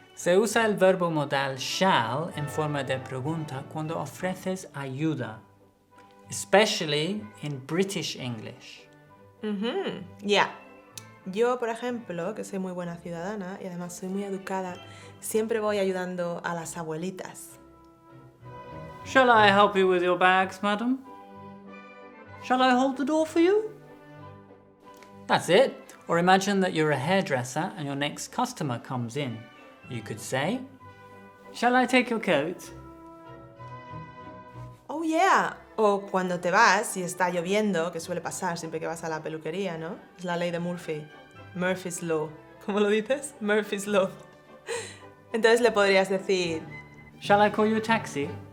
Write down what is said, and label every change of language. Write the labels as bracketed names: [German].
[Spanish] Se usa el verbo modal shall en forma de pregunta cuando ofreces ayuda. [English] Especially in British English. Mm-hmm. Yeah. [Spanish] Yo, por ejemplo, que soy muy buena ciudadana y además soy muy educada, siempre voy ayudando a las abuelitas. [English] Shall I help you with your bags, madam? Shall I hold the door for you? That's it. Or imagine that you're a hairdresser and your next customer comes in. You could say, shall I take your coat? Oh, yeah. [Spanish] O cuando te vas y está lloviendo, que suele pasar siempre que vas a la peluquería, ¿no? Es la ley de Murphy. Murphy's Law. ¿Cómo lo dices? Murphy's Law. Entonces le podrías decir... [English] Shall I call you a taxi?